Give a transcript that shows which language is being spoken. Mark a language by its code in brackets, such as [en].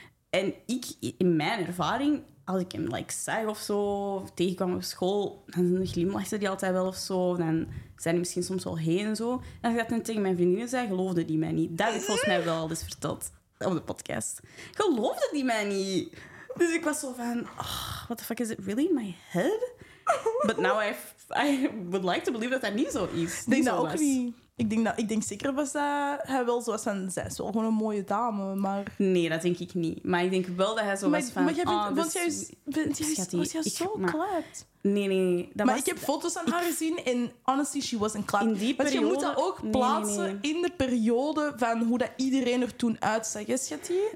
[nl] En ik, in mijn ervaring, als ik hem like zag of zo, of tegenkwam op school, dan glimlachte die altijd wel of zo. Dan zijn die misschien soms wel heen en zo. En als ik dat dan tegen mijn vriendinnen zei, geloofde die mij niet. Dat is volgens mij wel eens verteld op de podcast. Geloofde die mij niet. Dus ik was zo van, [en] oh, what the fuck is it really in my head? But now I would like to believe that that [nl] niet zo is. Ik denk dat ook niet. Ik denk zeker was dat hij wel zo was van... Zij is wel gewoon een mooie dame, maar... Nee, dat denk ik niet. Maar ik denk wel dat hij zo was van... Maar ik heb foto's aan haar gezien en [en] honestly, she wasn't clapped. [nl] In die periode... Want je moet dat ook plaatsen in de periode van hoe dat iedereen er toen uitzag, schatje.